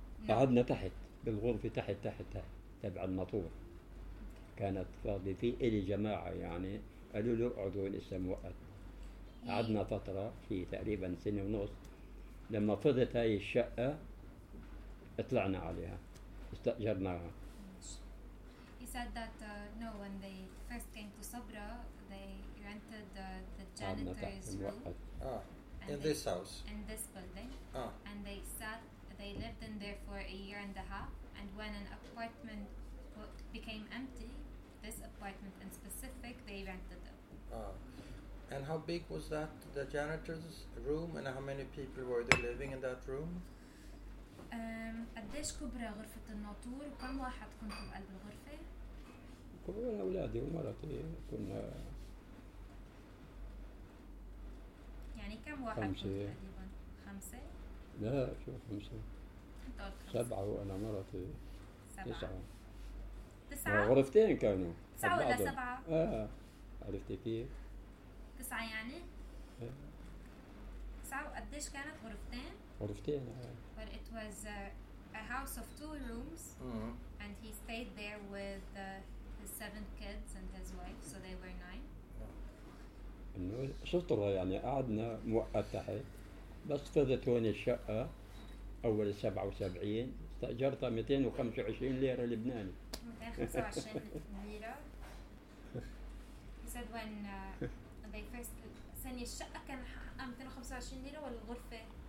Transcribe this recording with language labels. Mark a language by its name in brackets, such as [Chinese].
[Arabic] قعدنا تحت بالغرفة تحت تحت تحت تبع المطور. كانت فاضي في إلي جماعة يعني قالوا له اقعدوا لسه موقت. قعدنا فترة في تقريبا سنة ونص لما فضت هاي الشقة طلعنا عليها استأجرناها. [English] He said that when they first came to Sabra, they rented the janitor's room. In this house. In this building. And they lived in there for a year and a half. And when an apartment became empty, this apartment in specific, they rented it. And how big was that, the janitor's room, and how many people were there living in that room? [Arabic] قديش كبرى غرفة الناطور؟ كم واحد كنتوا بقلب الغرفة؟ كبرنا أولادي ومرتي كنا يعني كم واحد خمسة. كنت تقريبا؟ خمسة؟ لا شو خمسة؟ خمسة سبعة وأنا مرتي تسعة غرفتين كانوا تسعة ولا سبعة؟ عرفتي كيف؟ تسعة يعني؟ تسعة وقديش كانت غرفتين؟ غرفتين [English] But it was a house of two rooms and he stayed there with his seven kids and his wife so they were nine [Arabic] إنه شطرة يعني قعدنا موقت تحت بس فضت هون الشقة أول 77 استأجرتها 225 ليرة لبناني 225 ليرة [English] He said when they first [Arabic] ثاني الشقة كان حقها 225 ليرة ولا الغرفة؟